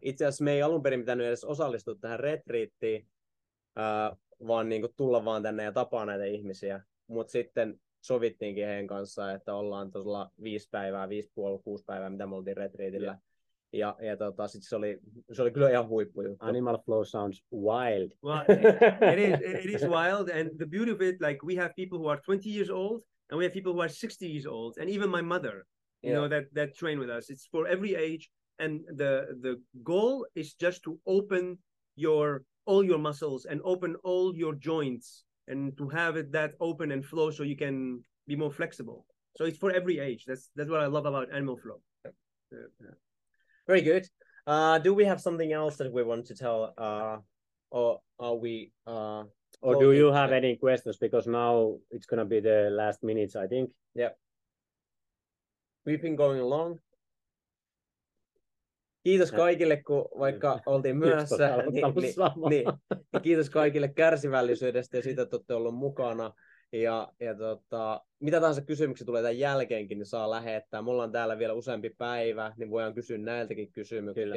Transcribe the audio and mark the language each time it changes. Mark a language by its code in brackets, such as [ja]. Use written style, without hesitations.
[fi] Itse asiassa me ei alun perin pitänyt edes osallistua tähän retriittiin, vaan niin kuin tulla vaan tänne ja tapaa näitä ihmisiä. Mutta sitten sovittiinkin heidän kanssa, että ollaan tuolla 5 päivää, 5.5, 6 päivää, mitä me oltiin retriitillä. Ja sitten se oli kyllä ihan huippujuttu. [en] Animal Flow sounds wild. Well, it is wild. And the beauty of it, like, we have people who are 20 years old and we have people who are 60 years old. And even my mother, you know, that train with us. It's for every age. And the goal is just to open all your muscles and open all your joints and to have it that open and flow so you can be more flexible. So it's for every age. That's what I love about Animal Flow. Very good. Do we have something else that we want to tell? Or are we... Or do you have any questions? Because now it's going to be the last minutes, I think. Yeah. We've been going along. [fi] Kiitos kaikille, kun vaikka oltiin myöhässä, niin kiitos kaikille kärsivällisyydestä ja siitä, että olette olleet mukana. Ja mitä tahansa kysymyksiä tulee tämän jälkeenkin, niin saa lähettää. Me ollaan täällä vielä useampi päivä, niin voidaan kysyä näiltäkin kysymyksiä. Kyllä.